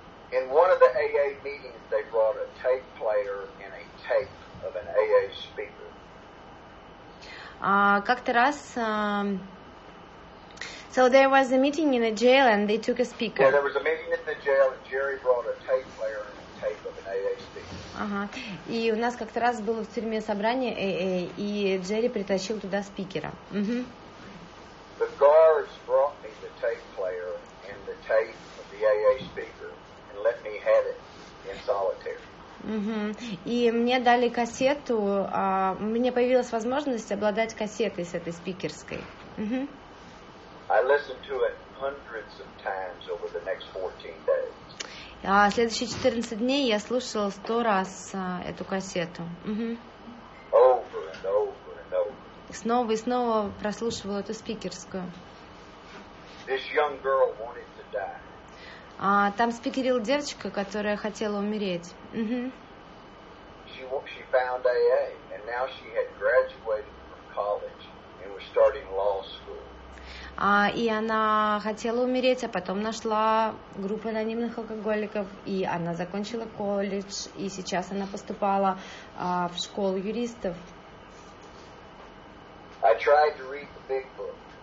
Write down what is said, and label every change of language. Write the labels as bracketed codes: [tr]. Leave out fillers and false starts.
[en] In one of the AA meetings, they brought a tape player and a tape of an AA speaker. [ru] Как-то раз... [en] So there was a meeting in a jail and they took a speaker. Well, there was a meeting in the jail and Jerry brought a tape player and tape of an AA speaker. [ru] Ага. И у нас как-то раз было в тюрьме собрание AA, и Джерри притащил туда спикера. [en] The guards brought me the tape player and the tape of the AA speaker and let me have it in solitary. [ru] И мне дали кассету, мне появилась возможность обладать кассетой с этой спикерской. [en] I listened to it hundreds of times over the next 14 days. [ru] Следующие 14 дней я слушала 100 раз эту кассету. [en] Over and over and over. [ru] Снова и снова прослушивала эту спикерскую. [en] This young girl wanted to die. [ru] Там спикерила девочка, которая хотела умереть. [en] She found AA, and now she had graduated from college and was starting law school. [ru] И она хотела умереть, а потом нашла группу анонимных алкоголиков, и она закончила колледж, и сейчас она поступала в школу юристов. [en] I tried to read the big book.